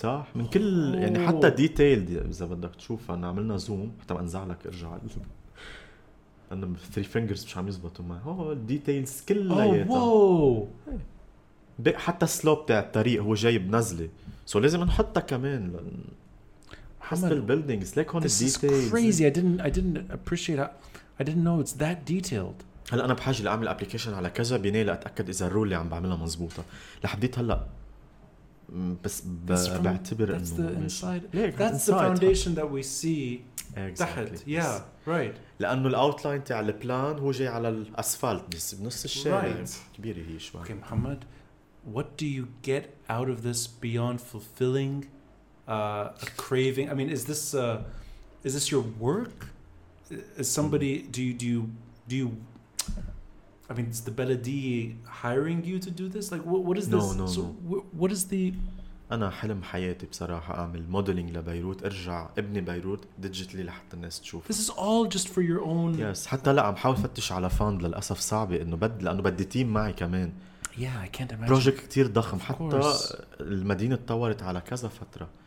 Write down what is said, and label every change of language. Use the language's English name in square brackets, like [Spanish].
[Arabic] صح من كل يعني حتى ديتيل اذا بدك تشوف انا عملنا زوم حتى انزع لك ارجع انا ثري فينجرز مش عم يزبطوا معي الديتيلز كلياتها حتى سلوب تاع الطريق هو جايب نزله سو لازم نحطها كمان حسب البيلدينجز ليك هون الديتيلز. [English] This is crazy. I didn't appreciate that. I didn't know it's that detailed. [Arabic] هلا انا بحاجه لاعمل ابلكيشن على كذا بناية لاتاكد اذا الرول اللي عم بعملها مزبوطه لحديت هلا بس بعتبر انه [English] that's the foundation that we see تحت yeah right [Arabic] لانه الاوتلاين تاع البلان هو جاي على الاسفلت بس بنص الشارع كبيره هي شوي. [English] Okay محمد what do you get out of this beyond fulfilling a craving? I mean is this your work? Is somebody do you I mean is the beledi hiring you to do this? Like what is this? No. So what is the [Arabic] انا حلم حياتي بصراحه اعمل موديلنج لبيروت ارجع ابني بيروت ديجيتالي لحتى الناس تشوف. [English] This is all just for your own yes. [Arabic] حتى لا عم حاول فتش على فاند للاسف صعبه انه لانه بدي تيم معي كمان. [English] Yeah, I can't imagine. [Arabic] بروجكت كتير ضخم حتى المدينة تطورت على كذا فترة.